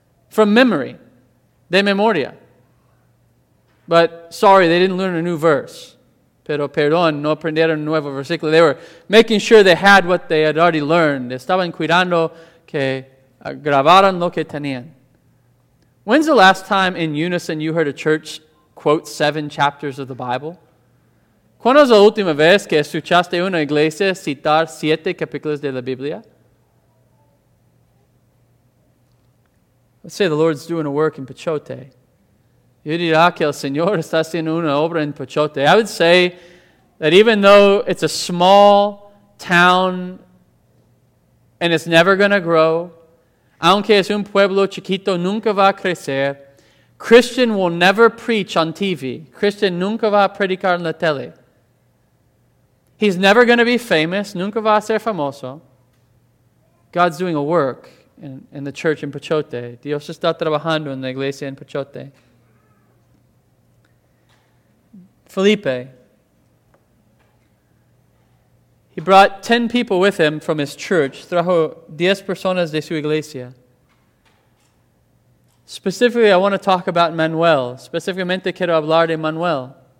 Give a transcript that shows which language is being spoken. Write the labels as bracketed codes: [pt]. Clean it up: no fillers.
[en] From memory, [es] de memoria. [en] But sorry, they didn't learn a new verse. [es] Pero perdón, no aprendieron un nuevo versículo. [en] They were making sure they had what they had already learned. [es] Estaban cuidando que grabaran lo que tenían. [en] When's the last time in unison you heard a church quote seven chapters of the Bible? [es] ¿Cuándo es la última vez que escuchaste una iglesia citar siete capítulos de la Biblia? [en] Let's say the Lord's doing a work in Pachote. [es] Yo diría que el Señor está haciendo una obra en Pachote. [en] I would say that even though it's a small town and it's never going to grow, [es] aunque es un pueblo chiquito, nunca va a crecer, [en] Christian will never preach on TV. [es] Christian nunca va a predicar en la tele. [en] He's never going to be famous, [es] nunca va a ser famoso. [en] God's doing a work in the church in Pachote. [es] Dios está trabajando en la iglesia en Pachote. [en] Felipe, he brought 10 people with him from his church, [es] trajo 10 personas de su iglesia. [en] Specifically, I want to talk about Manuel. [es] Specificamente, quiero hablar de Manuel.